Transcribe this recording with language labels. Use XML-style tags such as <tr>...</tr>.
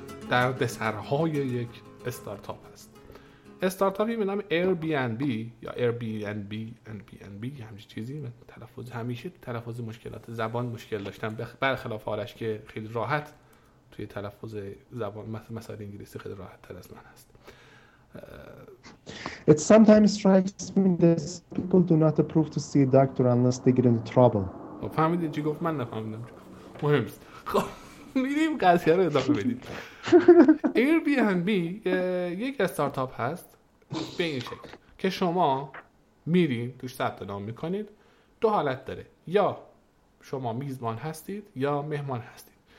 <fa>در دسرهای یک استارتاپ هست. استارتاپی به نام Airbnb یا Airbnb همچی چیزی، من تلفظ همیشه تلفظ مشکلات زبان مشکل داشتم، برخلاف آرش که خیلی راحت توی تلفظ زبان مثلا انگلیسی خیلی راحت تر از من هست.</fa> <en>It sometimes strikes me that people do not approve to see a doctor unless they get into trouble.</en> <fa>فهمیدین چی گفت؟ من نفهمیدم. مهم است. خب میریم قضیه رو ادامه بدید. Airbnb یک استارتاپ هست به این شکل که شما میرین توش ثبت نام میکنید. دو حالت داره، یا شما میزبان هستید یا مهمان هستید.</fa>